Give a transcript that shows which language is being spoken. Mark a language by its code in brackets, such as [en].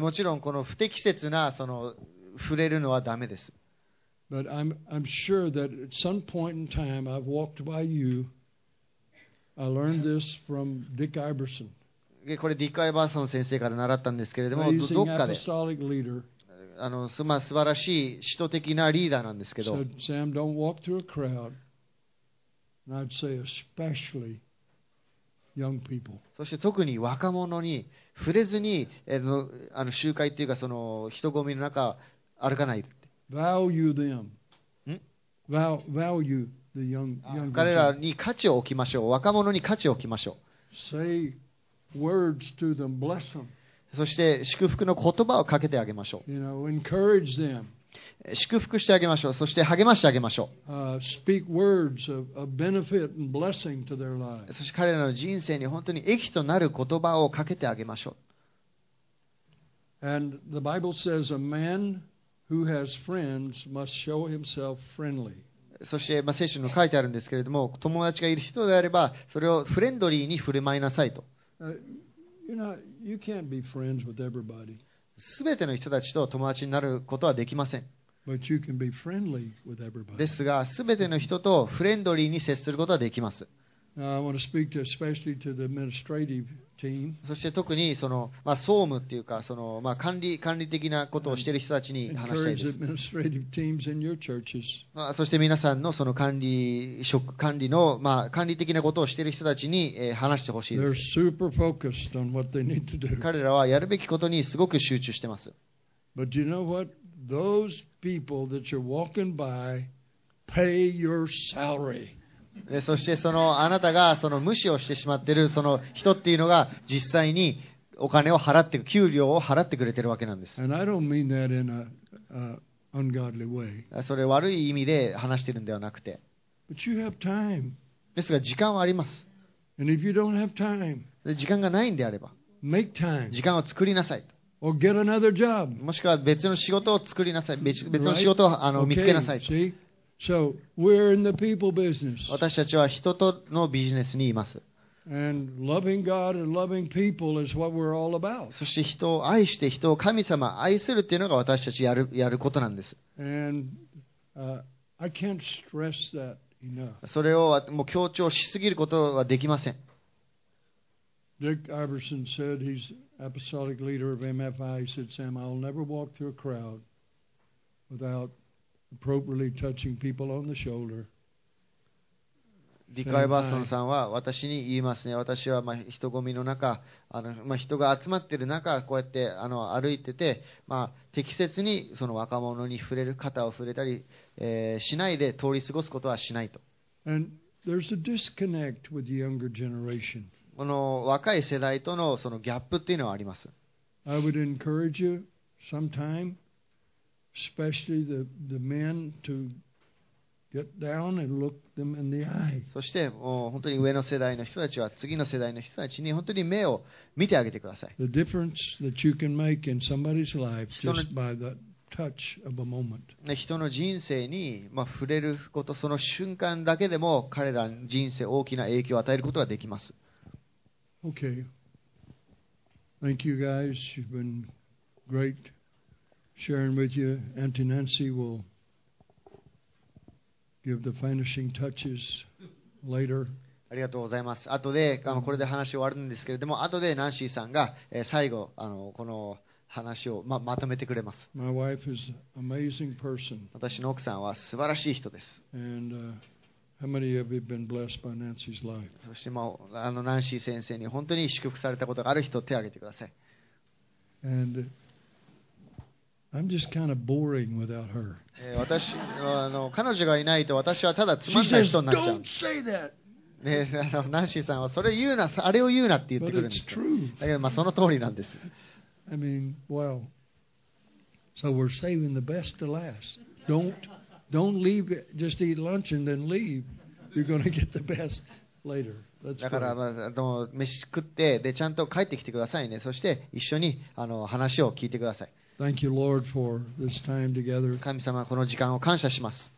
[ja] もちろんこの不適切なその触れるのはダメです。 [en] But I'm sure that at some point in time I've walked by you. I learned this from Dick Iverson. [ja] これディック・アイバーソン先生から習ったんですけれども、どっかで [en] apostolic leader, [ja] 素晴らしい使徒的なリーダーなんですけど、 [en] said, Sam, don't walk through a crowd. And I'd say especially. Young people. [ja] そして特に若者に触れずに集会というかその人混みの中歩かないって。 [en] Value them. Value the young people. [ja] 彼らに価値を置きましょう。若者に価値を置きましょう。 [en] Say words to them. Bless them. [ja] そして祝福の言葉をかけてあげましょう。 [en] You know, encourage them. [ja] 祝福してあげましょう。そして励ましてあげましょう。 [en] Speak words of benefit and blessing to their lives. [ja] そして彼らの人生に本当に益となる言葉をかけてあげましょう。 [en] And the Bible says a man who has friends must show himself friendly. [ja] そして、まあ、聖書に書いてあるんですけれども、友達がいる人であればそれをフレンドリーに振る舞いなさいと。 [en] You can't be friends with everybody. [ja] すべての人たちと友達になることはできません。 [en] But you can be friendly with everybody. [ja] ですが、すべての人とフレンドリーに接することはできます。 [en] I want to speak to especially to the administrative team. [ja] そして特にその、まあ、総務っていうかその、まあ、管理的なことをしている人たちに話したいです。 [en] Administrative teams in your churches. [ja] まあ、そして皆さんのその管理の、まあ、管理的なことをしている人たちに、話してほしいです。 [en] They're super focused on what they need to do. [ja] 彼らはやるべきことにすごく集中してます。 [en] But do you know what? Those people that you're walking by, pay your salary. [ja] そしてそのあなたがその無視をしてしまっているその人っていうのが実際にお金を払って給料を払ってくれてるわけなんです。 [en] And I don't mean that in an ungodly way. [ja] それ悪い意味で話してるんではなくて。 [en] But you have time. [ja] ですが時間はあります。 [en] And if you don't have time, [ja] 時間がないんであれば、 [en] make time. [ja] 時間を作りなさいと。 [en] Or get another job. [ja] もしくは別の仕事を作りなさい。別の仕事を、 [en] right? [ja] 見つけなさいと。 [en] See? So we're in the people business. [ja] 私たちは人とのビジネスにいます。 [en] And loving God and loving people is what we're all about. [ja] そして人を愛して人を神様愛するっていうのが私たちやることなんです。 [en] And, I can't stress that enough. [ja] それをもう強調しすぎることはできません。 [en] Dick Iverson said he's apostolic leader of MFI. He said, "Sam, I'll never walk through a crowd without appropriately touching people on the shoulder." [ja] Dick Iverson さんは私に言いますね。私はまあ人混みの中、まあ人が集まってる中、こうやって歩いてて、まあ適切にその若者に触れる肩を触れたり、しないで通り過ごすことはしないと。 [en] And there's a disconnect with the younger generation. [ja] この若い世代と そのギャップっていうのはあります。 [en] I would encourage you sometime, especially the men, to get down and look them in the eye. [ja] そして本当に上の世代の人たちは次の世代の人たちに本当に目を見てあげてください。 [en] The difference that you can make in somebody's life just by the touch of a moment. [ja] 人の人生に触れることその瞬間だけでも彼らに人生大きな影響を与えることができます。 [en] Okay. Thank you guys. You've been great sharing with you. Auntie Nancy will give the finishing touches later. [ja] ありがとうございます。後でこれで話終わるんですけれども、後でナンシーさんが最後この話をまとめてくれます。 [en] My wife is an amazing person. [ja] 私の奥さんは素晴らしい人です。 [en] And, How many of you have been blessed by Nancy's life? [ja] そしてもナンシー先生に本当に祝福されたことがある人手を挙げてください。 [en] And I'm just kind of boring without her. [ja] 私彼女がいないと私はただつまんない人になっちゃう。 [en] Don't say that. [ja] ね、ナンシーさんはそれ言うな、あれを言うなって言ってくるんです。 [en] But it's true. [ja] だけどその通りなんです。 [en] I mean, well, so we're saving the best to last. Don't leave, just eat lunch and then leave. You're going to get the best later. Let's [ja] だから、飯食ってでちゃんと帰ってきてくださいね。そして一緒に話を聞いてください。 [en] Thank you, Lord, for this time together. [ja] 神様、この時間を感謝します。